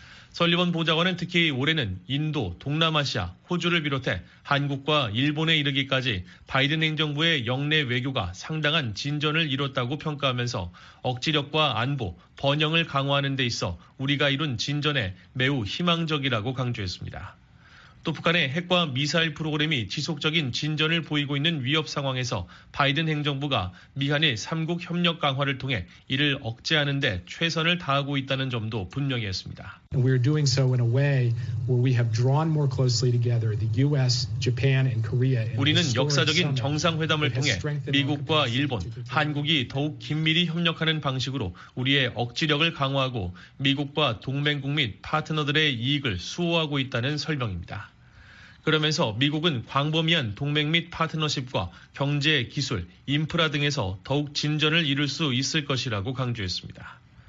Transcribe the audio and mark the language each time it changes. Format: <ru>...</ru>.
<ko>설리번 보좌관은 특히 올해는 인도, 동남아시아, 호주를 비롯해 한국과 일본에 이르기까지 바이든 행정부의 역내 외교가 상당한 진전을 이뤘다고 평가하면서 억지력과 안보, 번영을 강화하는 데 있어 우리가 이룬 진전에 매우 희망적이라고 강조했습니다. 또 북한의 핵과 미사일 프로그램이 지속적인 진전을 보이고 있는 위협 상황에서 바이든 행정부가 미한의 3국 협력 강화를 통해 이를 억제하는 데 최선을 다하고 있다는 점도 분명히 했습니다.</ko> <en>We are doing so in a way where we have drawn more closely together the U.S., Japan, and Korea.</en> <ko>우리는 역사적인 정상회담을 통해 미국과 일본, 한국이 더욱 긴밀히 협력하는 방식으로 우리의 억지력을 강화하고 미국과 동맹국 및 파트너들의 이익을 수호하고 있다는 설명입니다. 그러면서 미국은 광범위한 동맹 및 파트너십과 경제, 기술, 인프라 등에서 더욱 진전을 이룰 수 있을 것이라고 강조했습니다.</ko>